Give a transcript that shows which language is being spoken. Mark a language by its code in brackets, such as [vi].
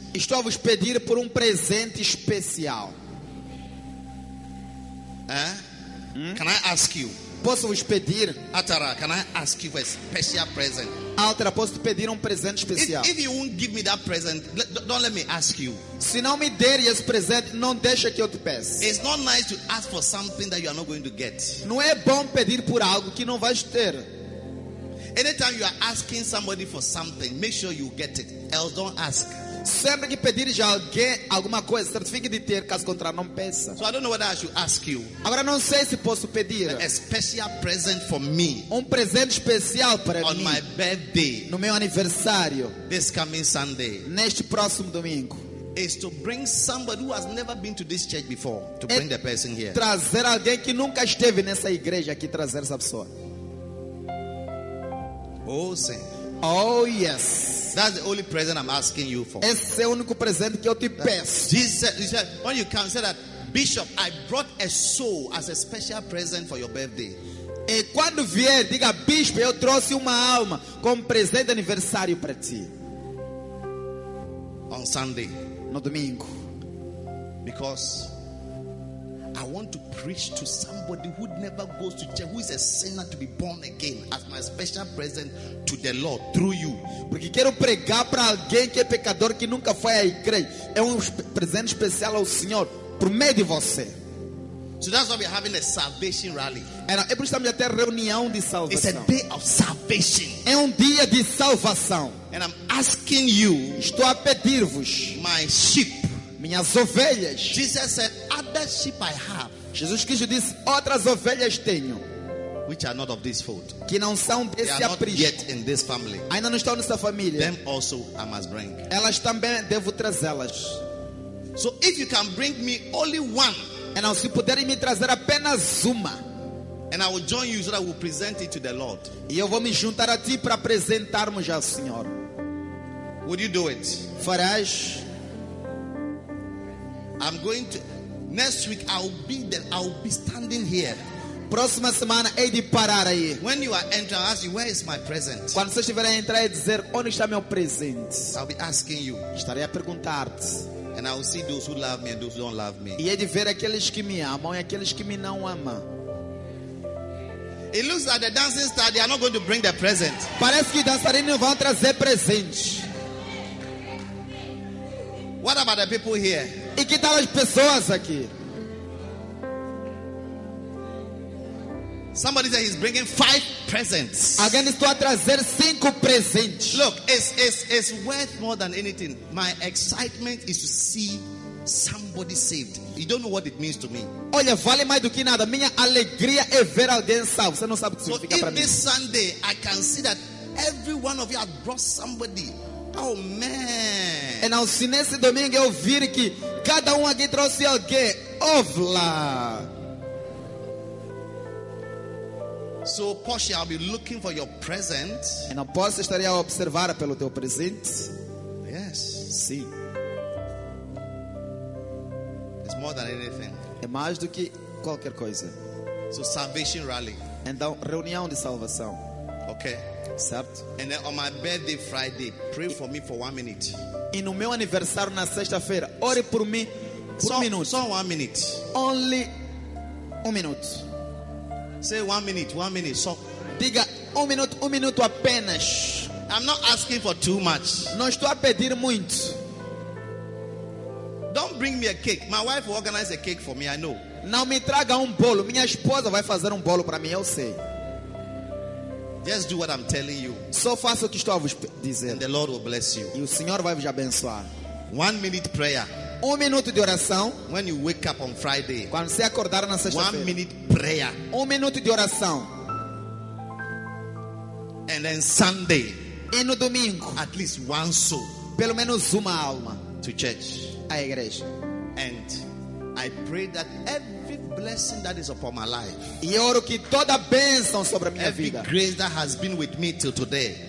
[pt] Estou a vos pedir por presente especial. [en] Can I ask you? [pt] Posso vos pedir? [en] Altara, can I ask you for a special present? [pt] Altara, posso te pedir presente especial? [en] If you won't give me that present, don't let me ask you. [pt] Se não me der esse presente, não deixa que eu te peça. [en] It's not nice to ask for something that you are not going to get. [pt] Não é bom pedir por algo que não vais ter. [en] Anytime you are asking somebody for something, make sure you get it. Else don't ask. [pt] Sempre que pedires a alguém alguma coisa, certifique de ter, caso contrário não peça. [en] So I don't know whether I should ask you. [pt] Agora não sei se posso pedir. [en] A special present for me. [pt] Presente especial para [en] on [pt] mim. [en] On my birthday. [pt] No meu aniversário. [en] This coming Sunday. [pt] Neste próximo domingo. [en] Is to bring somebody who has never been to this church before to bring the person here. [pt] Trazer alguém que nunca esteve nessa igreja aqui, trazer essa pessoa. Oh sim. [en] Oh yes. That's the only present I'm asking you for. [pt] Esse é o único presente que eu te peço. [en] Jesus said, when you come, say that, Bishop, I brought a soul as a special present for your birthday. [pt] E quando vier, diga, Bispo, eu trouxe uma alma como presente de aniversário para ti. [en] On Sunday. [pt] No domingo. [en] Because I want to preach to somebody who never goes to church, who is a sinner to be born again as my special present to the Lord through you. [pt] Porque quero pregar para alguém que é pecador que nunca foi à igreja. É presente especial ao Senhor por meio de você. [en] So that's why we're having a salvation rally. [pt] É por isso que estamos a ter reunião de salvação. [en] It's a day of salvation. [pt] É dia de salvação. [en] And I'm asking you, [pt] estou a pedir-vos, [en] my sheep, [pt] minhas ovelhas. [en] Jesus said, other sheep I have. [pt] Jesus Cristo disse, outras ovelhas tenho. [en] Which are not of this fold. [pt] Que não são desse [en] they are [pt] aprisco. [en] Not yet in this family. [pt] Ainda não estão nesta família. [en] Them also I must bring. [pt] Elas também devo trazê-las. [en] So if you can bring me only one, [pt] and se puderem me trazer apenas uma, [en] and I will join you so that I will present it to the Lord. [pt] E eu vou me juntar a ti para apresentarmos ao Senhor. [en] Would you do it? [pt] Farás? [en] I'm going to next week. I'll be standing here. [pt] Próxima semana é de parar aí. [en] When you are entering, I'll ask you, where is my present? [pt] Quando você estiver a entrar, é dizer, onde está meu presente? [en] I'll be asking you. [pt] Estarei a perguntar-te. [en] And I'll see those who love me and those who don't love me. [pt] E é de ver aqueles que me amam e aqueles que me não amam. [en] It looks like the dancing star, they are not going to bring the present. [pt] Parece que dançarinos não vão trazer presente. [en] What about the people here? [pt] E que tal as pessoas aqui? [en] Somebody said he's bringing 5 presents. [pt] Alguém está a trazer 5 presentes. [en] Look, it's worth more than anything. My excitement is to see somebody saved. You don't know what it means to me. [pt] Olha, vale mais do que nada. Minha alegria é ver alguém salvo. Você não sabe o que significa para mim. [en] This Sunday, I can see that every one of you have brought somebody. Oh man. [pt] E não, se nesse domingo eu vir que cada aqui trouxe alguém. Oh, lá. [en] So Porsche, I'll be looking for your present. [pt] E não, posso estar a observar pelo teu presente. [en] Yes. [pt] Sim. [en] It's more than anything. [pt] É mais do que qualquer coisa. [en] So salvation rally. [pt] Então, reunião de salvação. [en] Okay. [pt] Certo. [en] And then on my birthday Friday, pray for me for 1 minute. [pt] E no meu aniversário na sexta-feira, ore por mim por só, um minuto. Só 1 minute. [en] Only 1 minute. Say 1 minute. So, [pt] diga 1 minute. 1 minute apenas. [en] I'm not asking for too much. [pt] Não estou a pedir muito. [en] Don't bring me a cake. My wife will organize a cake for me. I know. [pt] Não me traga bolo. Minha esposa vai fazer bolo para mim. Eu sei. [en] Just do what I'm telling you. [pt] Só faça o que estou a vos dizer. [en] And the Lord will bless you. [pt] E o Senhor vai vos abençoar. [en] 1 minute prayer. [pt] 1 minute de oração. [en] When you wake up on Friday. [pt] Quando você acordar na sexta-feira. [en] 1 minute prayer. [pt] 1 minute de oração. [en] And then Sunday. [pt] E no domingo. [en] At least one soul. [pt] Pelo menos uma alma. [en] To church. [pt] A igreja. [en] And I pray that every blessing that is upon my life. [pt] E oro que toda bênção sobre a minha [en] every [pt] vida. [en] Every grace that has been with me till today.